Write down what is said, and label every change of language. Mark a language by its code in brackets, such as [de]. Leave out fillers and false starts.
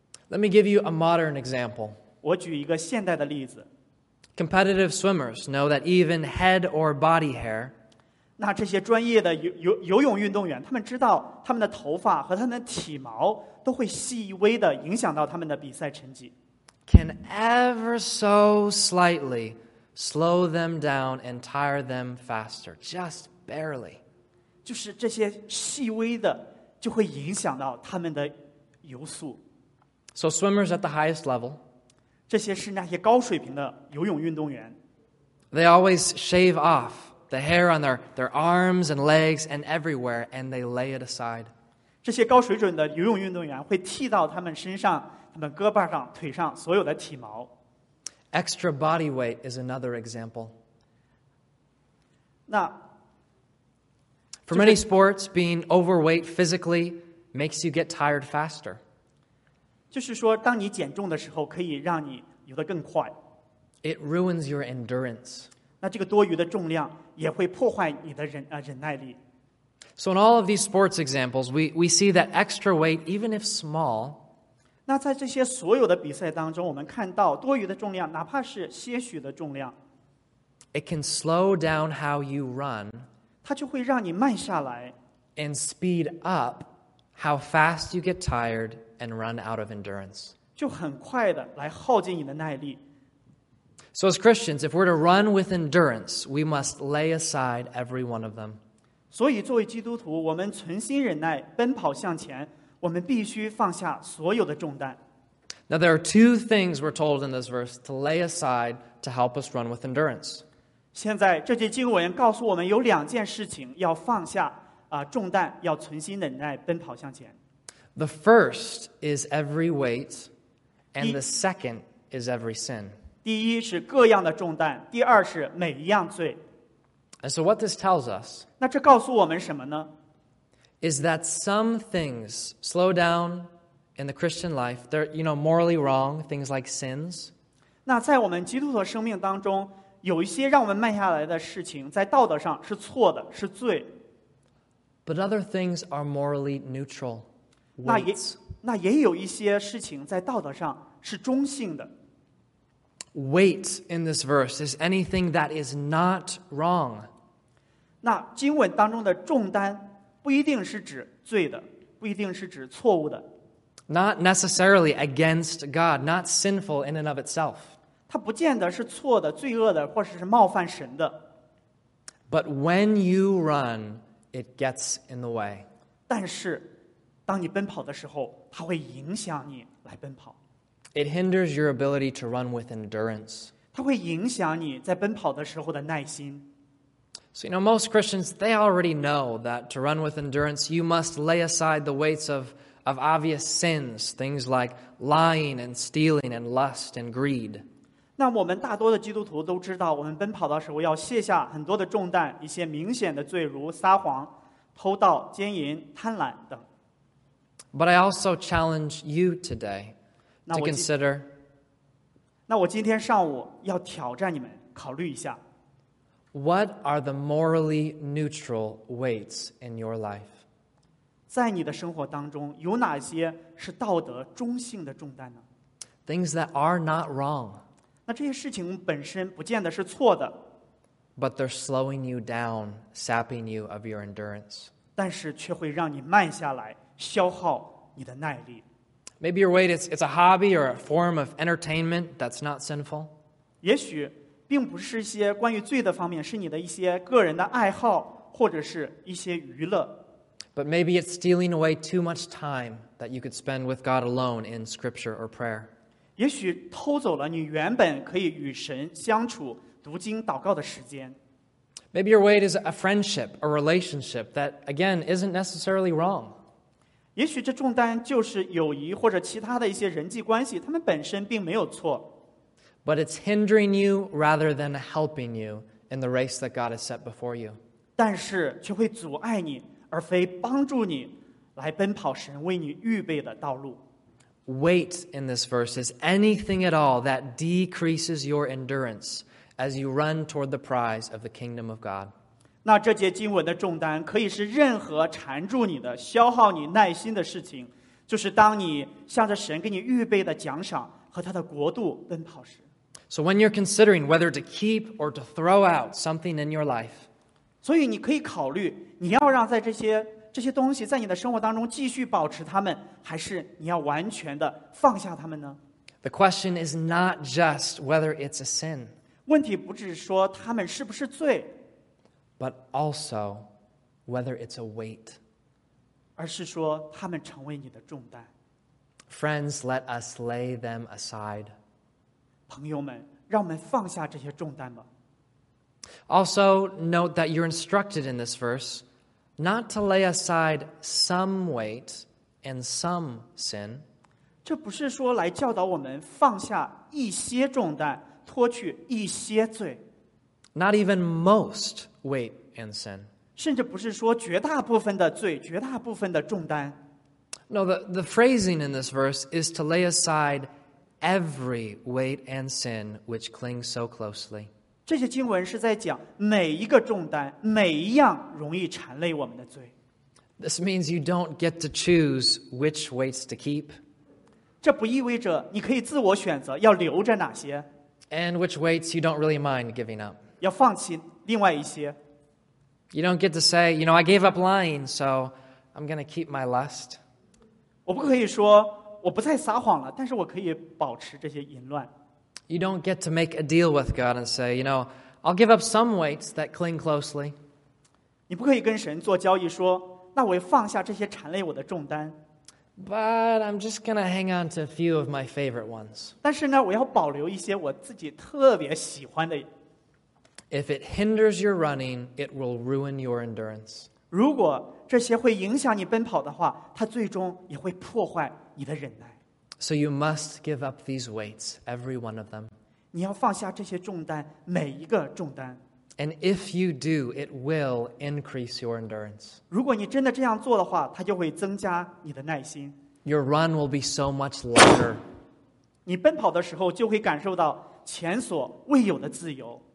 [en] Let me give you a modern example. [zh] 我举一个现代的例子。 [en] Competitive swimmers know that even head or body hair, [zh] 那这些专业的游泳运动员，他们知道他们的头发和他们的体毛都会细微的影响到他们的比赛成绩。 [en] Can ever so slightly slow them down and tire them faster, just barely. [zh] 就是这些细微的就会影响到他们的游速。 [en] So swimmers at the highest level. [zh] 这些是那些高水平的游泳运动员。 [en] They always shave off the hair on their arms and legs and everywhere, and they lay it aside. [zh] 这些高水准的游泳运动员会剃到他们身上、他们胳膊上、腿上所有的体毛。 [en] Extra body weight is another example. [zh] 那 [en] For many sports, being overweight physically makes you get tired faster. [zh] 就是说当你减重的时候可以让你游得更快。 [en] It ruins your endurance. [zh] 那这个多余的重量也会破坏你的忍耐力。 [en] So in all of these sports examples, we see that extra weight, even if small, [zh] 那在这些所有的比赛当中我们看到多余的重量哪怕是些许的重量。 [en] It can slow down how you run. [zh] 它就会让你慢下来。 [en] And speed up how fast you get tired. And run out of endurance. [zh] 就很快的来耗尽你的耐力。 [en] So as Christians, if we're to run with endurance, we must lay aside every one of them. [zh] 所以作为基督徒，我们存心忍耐，奔跑向前，我们必须放下所有的重担。 [en] Now there are two things we're told in this verse to lay aside to help us run with endurance. [zh] 现在这节经文告诉我们有两件事情要放下重担，要存心忍耐，奔跑向前。 [en] The first is every weight, and the second is every sin. [zh] 第一是各样的重担，第二是每一样罪。 [en] And so what this tells us, [zh] 那这告诉我们什么呢? [en] Is that some things slow down in the Christian life, they're, you know, morally wrong, things like sins. [zh] 那在我们基督徒生命当中，有一些让我们慢下来的事情，在道德上是错的，是罪。 [en] But other things are morally neutral. [zh] 那也有一些事情在道德上是中性的。 [en] Weight in this verse is anything that is not wrong. [zh] 那经文当中的重担不一定是指罪的，不一定是指错误的。 [en] Not necessarily against God, not sinful in and of itself. [zh] 它不见得是错的、罪恶的，或者是冒犯神的。 [en] But when you run, it gets in the way. [zh] 但是当你奔跑的时候，它会影响你来奔跑。 [en] It hinders your ability to run with endurance. [zh] 它会影响你在奔跑的时候的耐心。 [en] So, you know, most Christians, they already know that to run with endurance, you must lay aside the weights of obvious sins, things like lying and stealing and lust and greed. [zh] 那我们大多的基督徒都知道，我们奔跑的时候要卸下很多的重担，一些明显的罪，如撒谎、偷盗、奸淫、贪婪等。 [en] But I also challenge you today to consider. [zh] 那我今天上午要挑战你们，考虑一下。 [en] What are the morally neutral weights in your life? [zh] 在你的生活当中，有哪些是道德中性的重担呢？ [en] Things that are not wrong. [zh] 那这些事情本身不见得是错的。 [en] But they're slowing you down, sapping you of your endurance. [zh] 但是却会让你慢下来。消耗你的耐力。 [en] Maybe your weight is a hobby or a form of entertainment that's not sinful. [zh] 也许并不是一些关于罪的方面，是你的一些个人的爱好或者是一些娱乐。 [en] But maybe it's stealing away too much time that you could spend with God alone in scripture or prayer. [zh] 也许偷走了你原本可以与神相处、读经、祷告的时间。 [en] Maybe your weight is a friendship, a relationship that, again, isn't necessarily wrong. [zh] 也许这重担就是友谊或者其他的一些人际关系，他们本身并没有错。 [en] But it's hindering you rather than helping you in the race that God has set before you. [zh] 但是却会阻碍你，而非帮助你来奔跑神为你预备的道路。 [en] Weight in this verse is anything at all that decreases your endurance as you run toward the prize of the kingdom of God. [zh] 那这节经文的重担可以是任何缠住你的、消耗你耐心的事情，就是当你向着神给你预备的奖赏和他的国度奔跑时。 [en] So when you're considering whether to keep or to throw out something in your life, [zh] 所以你可以考虑你要让在这些东西在你的生活当中继续保持它们，还是你要完全的放下它们呢？ [en] The question is not just whether it's a sin. [zh] 问题不只是说它们是不是罪， [en] but also whether it's a weight. [zh] 而是说它们成为你的重担。 [en] Friends, let us lay them aside. [zh] 朋友们，让我们放下这些重担吧。 [en] Also, note that you're instructed in this verse. Not to lay aside some weight and some sin. [zh] 这不是说来教导我们放下一些重担，脱去一些罪。 [en] Not even most weight and sin. [zh] 甚至不是说绝大部分的罪，绝大部分的重担。 [en] No, the phrasing in this verse is to lay aside every weight and sin which clings so closely. [zh] 这些经文是在讲每一个重担，每一样容易缠累我们的罪。 [en] This means you don't get to choose which weights to keep. [zh] 这不意味着你可以自我选择要留着哪些。 [en] And which weights you don't really mind giving up. [zh] 要放弃另外一些。 [en] You don't get to say, you know, I gave up lying, so I'm going to keep my lust. [zh] 我不可以说我不再撒谎了，但是我可以保持这些淫乱。 [en] You don't get to make a deal with God and say, you know, I'll give up some weights that cling closely. [zh] 你不可以跟神做交易说，那我放下这些缠累我的重担。 [en] But I'm just going to hang on to a few of my favorite ones. [zh] 但是呢，我要保留一些我自己特别喜欢的。 [en] If it hinders your running, it will ruin your endurance. [zh] 如果这些会影响你奔跑的话，它最终也会破坏你的忍耐。 [en] So you must give up these weights, every one of them. [zh] 你要放下这些重担，每一个重担。 [en] And if you do, it will increase your endurance. [zh] 如果你真的这样做的话，它就会增加你的耐心。 [en] Your run will be so much longer. [zh] 你奔跑的时候就会感受到前所未有的自由。